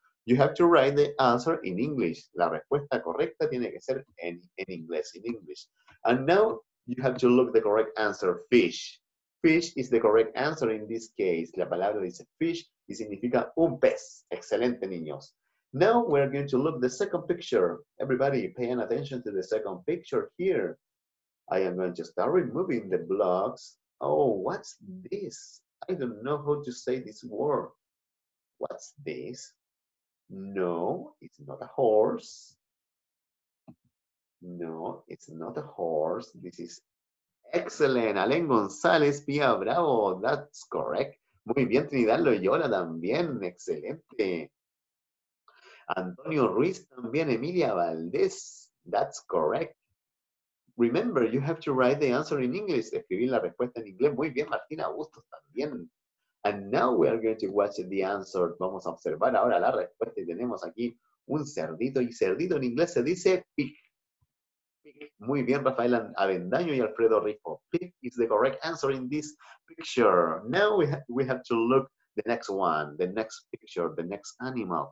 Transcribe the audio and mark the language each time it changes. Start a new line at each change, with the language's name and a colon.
English: You have to write the answer in English.
Spanish: La respuesta correcta tiene que ser en inglés,
English: in English. And now, you have to look the correct answer, fish. Fish is the correct answer in this case.
Spanish: La palabra dice fish y significa un pez. Excelente, niños.
English: Now we're going to look at the second picture. Everybody, pay attention to the second picture here. I am going to start removing the blocks. Oh, what's this? I don't know how to say this word. What's this? No, it's not a horse. No, it's not a horse. This is excellent. Alen González, Pia Bravo. That's correct.
Spanish: Muy bien, Trinidad Loyola también. Excelente.
English: Antonio Ruiz, también Emilia Valdez, that's correct. Remember, you have to write the answer in English.
Spanish: Escribir la respuesta en inglés. Muy bien, Martina Bustos también.
English: And now we are going to watch the answer.
Spanish: Vamos a observar ahora la respuesta y tenemos aquí un cerdito. Y cerdito en inglés se dice pig. Pig. Muy bien, Rafael Avendaño y Alfredo Rico.
English: Pig is the correct answer in this picture. Now we have to look. The next one, the next picture, the next animal.